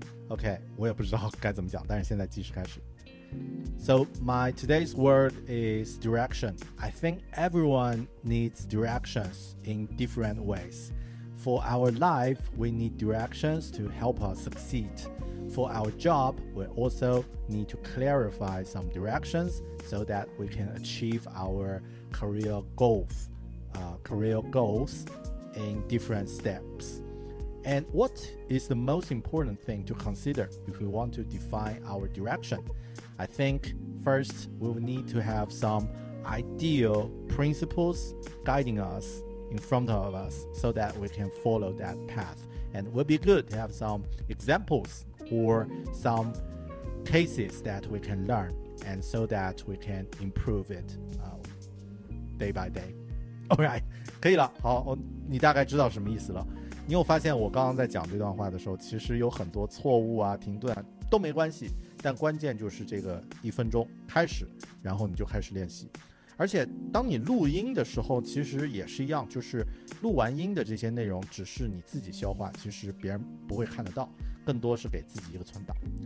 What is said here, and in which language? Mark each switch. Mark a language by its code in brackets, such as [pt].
[zh] OK， 我也不知道该怎么讲，但是现在计时开始。 [en] So my today's word is direction. I think everyone needs directions in different ways. For our life, we need directions to help us succeed. For our job, we also need to clarify some directionsso that we can achieve our career goals in different steps. And what is the most important thing to consider if we want to define our direction? I think first we will need to have some ideal principles guiding us in front of us so that we can follow that path. And it would be good to have some examples or some cases that we can learn. And so that we can improve it day by day. [zh] Alright, 可以了。好，你大概知道什么意思了。你有发现我刚刚在讲这段话的时候，其实有很多错误啊、停顿啊，都没关系。但关键就是这个一分钟开始，然后你就开始练习。而且当你录音的时候，其实也是一样，就是录完音的这些内容只是你自己消化，其实别人不会看得到，更多是给自己一个存档。